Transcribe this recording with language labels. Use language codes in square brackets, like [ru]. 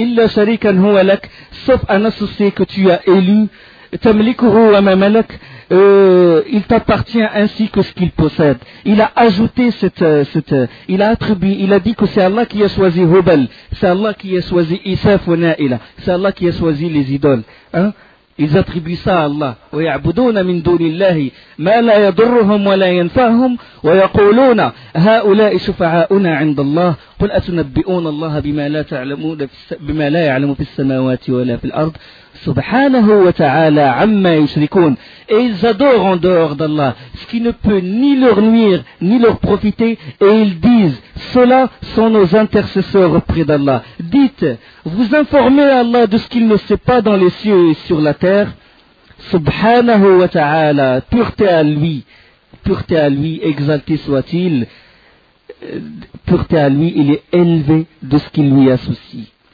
[fr] Sauf un associé que tu as élu, [ar] tamlikuhu wa mamalak, [fr] il t'appartient ainsi que ce qu'il possède. Il a ajouté cette, il a attribué, il a dit que c'est Allah qui a choisi Hubal, c'est Allah qui a choisi Isaf wa Na'ila, c'est Allah qui a choisi les idoles, hein. Ils attribuent ça à Allah. [ar] ويعبدون من دون الله ما لا يضرهم ولا ينفعهم ويقولون هؤلاء شفعاؤنا عند الله قل أتنبئون الله بما لا يعلم في السماوات ولا في الأرض سبحانه وتعالى عما يشركون. [fr] Et ils adorent en dehors d'Allah ce qui ne peut ni leur nuire ni leur profiter, et ils disent cela sont nos intercesseurs auprès d'Allah. Dites, vous informez Allah de ce qu'il ne sait pas dans les cieux et sur la terre. Subhanahu wa ta'ala, pureté à lui, exalté soit-il, pureté à lui, il est élevé de ce qu'il lui associe.